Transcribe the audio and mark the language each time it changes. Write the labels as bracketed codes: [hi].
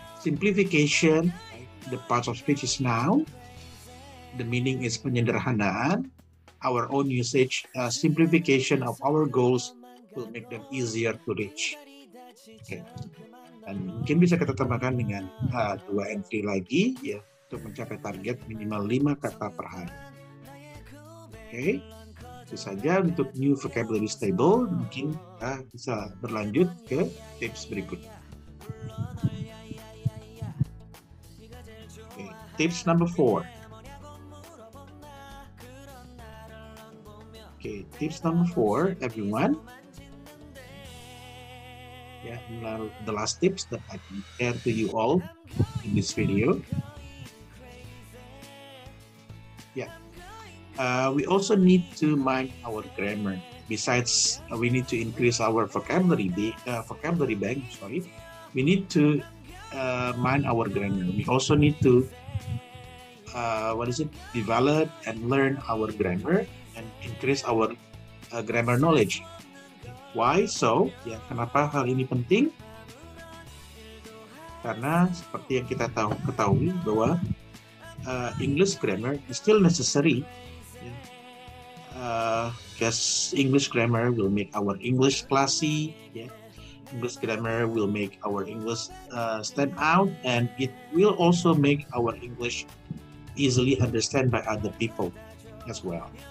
[en] Simplification, the parts of speech is noun, the meaning is penyederhanaan. Our own usage, simplification of our goals will make them easier to reach. Okay. [id] Dan mungkin bisa kita tambahkan dengan 2 entry lagi ya, untuk mencapai target minimal 5 kata per hari. Okay. Itu saja untuk [en] new vocabulary table. [id] Mungkin kita bisa berlanjut ke tips berikutnya. [en] Okay. Tips number 4. Okay, tips number 4, everyone. Yeah, the last tips that I can share to you all in this video. We also need to mind our grammar. Besides, we need to increase our vocabulary bank. We need to mind our grammar. We also need to develop and learn our grammar and increase our grammar knowledge. Why so? [id] Ya, kenapa hal ini penting? Karena seperti yang kita tahu ketahui bahwa [en] English grammar is still necessary. [id] Ya. [en] Because English grammar will make our English classy. Yeah, English grammar will make our English stand out, and it will also make our English easily understand by other people as well.